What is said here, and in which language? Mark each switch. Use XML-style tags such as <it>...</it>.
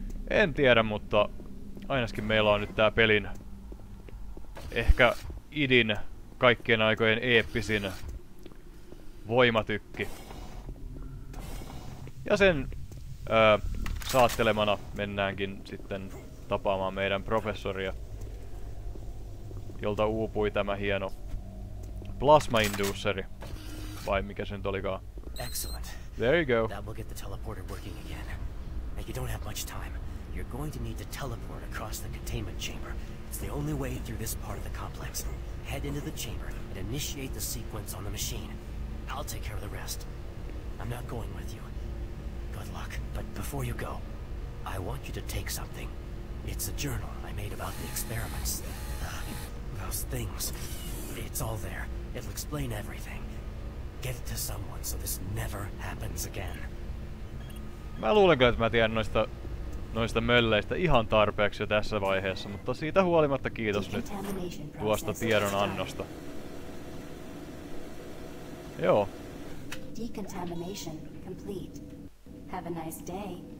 <fi>En tiedä, mutta ainakin meillä on nyt tää pelin ehkä idin kaikkien aikojen eeppisin voimatykki. Ja sen saattelemana mennäänkin sitten tapaamaan meidän professoria, jolta uupui tämä hieno plasma-induusseri. Vai mikä se nyt olikaan?</fi> <en>Excellent. There you go. That will get the teleporter working again. Now you don't have much time. You're going to need to teleport across the containment chamber. It's the only way through this part of the complex. Head into the chamber and initiate the sequence on the machine. I'll take care of the rest. I'm not going with you. Good luck. But before you go, I want you to take something. It's a journal I made about the experiments. Those things. It's all there. It'll explain everything. Get to someone so this never happens again.</en> <fi>Mä luulen kyllä, että mä tiedän noista mölleistä ihan tarpeeksi jo tässä vaiheessa, mutta siitä huolimatta kiitos nyt tuosta tiedon annosta.</fi> <en>Joo. Decontamination complete. Have a nice day.</en>